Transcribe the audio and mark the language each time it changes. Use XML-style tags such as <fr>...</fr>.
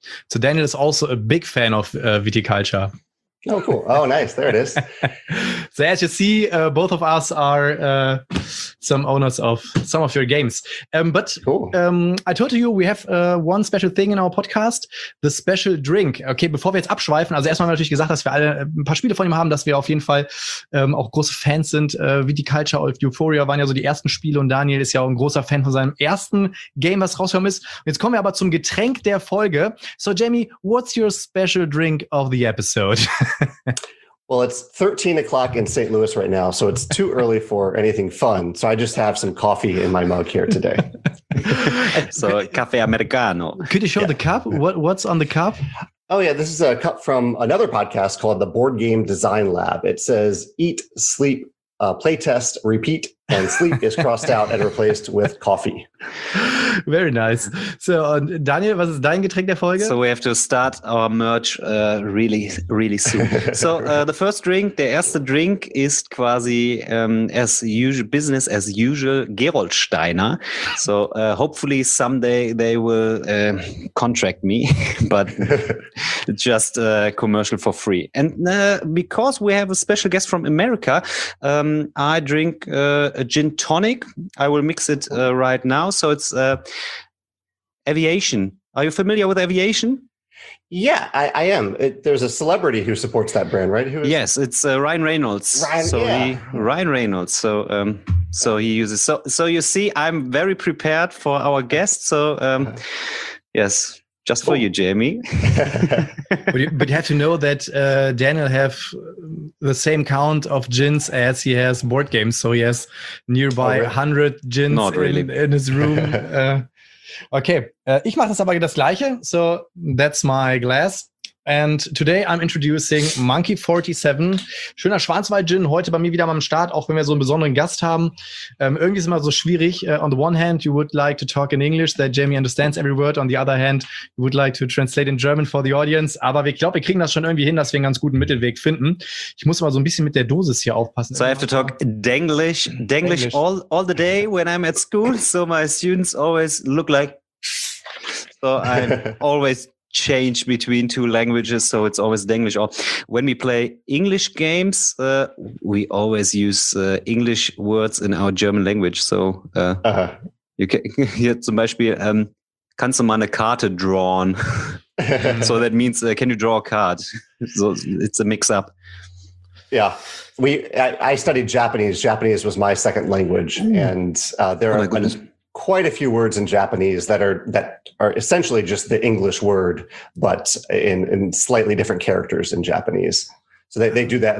<en>So Daniel is also a big fan of Viticulture. Oh, cool. Oh, nice. There it is. So as you see, both of us are some owners of some of your games. But cool. I told you, we have one special thing in our podcast, the special drink.</en> <de>Okay, bevor wir jetzt abschweifen, also erstmal haben wir natürlich gesagt, dass wir alle ein paar Spiele von ihm haben, dass wir auf jeden Fall auch große Fans sind. Viticulture of Euphoria waren ja so die ersten Spiele und Daniel ist ja auch ein großer Fan von seinem ersten Game, was rausgekommen ist. Und jetzt kommen wir aber zum Getränk der Folge.</de> <en>So, Jamie, what's your special drink of the episode? Well, it's 13 o'clock in St. Louis right now, so it's too early for anything fun. So I just have some coffee in my mug here today. So, Café Americano. Could you show the cup? What's on the cup? Oh, yeah. This is a cup from another podcast called the Board Game Design Lab. It says, eat, sleep, play test, repeat, and sleep is crossed out and replaced with coffee. Very nice.</en> <de>So, Daniel, was ist dein Getränk der Folge?</de> <en>So, we have to start our merch really, really soon. So, the first drink,</en> <de>der erste Drink ist quasi</de> <en>as usual, business as usual, Geroldsteiner. So, hopefully someday they will contract me, but just commercial for free. And because we have a special guest from America, I drink a gin tonic. I will mix it right now. So it's aviation. Are you familiar with aviation? Yeah, I am. There's a celebrity who supports that brand, right? Who is? Yes, it's Ryan Reynolds. Ryan Reynolds. So so he uses. So you see, I'm very prepared for our guest. So yes, just for you, Jamie. But you have to know that Daniel have the same count of gins as he has board games. So he has nearby 100 gins in his room.</en> <de>Okay, ich mache das aber das Gleiche.</de> <en>So that's my glass. And today I'm introducing Monkey 47.</en> <de>Schöner Schwarzwald-Gin, heute bei mir wieder mal am Start, auch wenn wir so einen besonderen Gast haben. Irgendwie ist immer so schwierig.</de> <en>On the one hand, you would like to talk in English, that Jamie understands every word. On the other hand, you would like to translate in German for the audience.</en> <de>Aber ich glaube, wir kriegen das schon irgendwie hin, dass wir einen ganz guten Mittelweg finden. Ich muss mal so ein bisschen mit der Dosis hier aufpassen.</de> <en>So I have to talk Denglish all the day when I'm at school. So my students always look like... So I'm always... change between two languages, so it's always Denglish. Or when we play English games, we always use English words in our German language. So you can</en> <de>hier zum Beispiel kannst du mal eine Karte drawn?</de> <en>So that means can you draw a card? So it's a mix up. Yeah, I studied Japanese. Japanese was my second language, and there are. Quite a few words in Japanese that are essentially just the English word, but in slightly different characters in Japanese. So they do that.</en>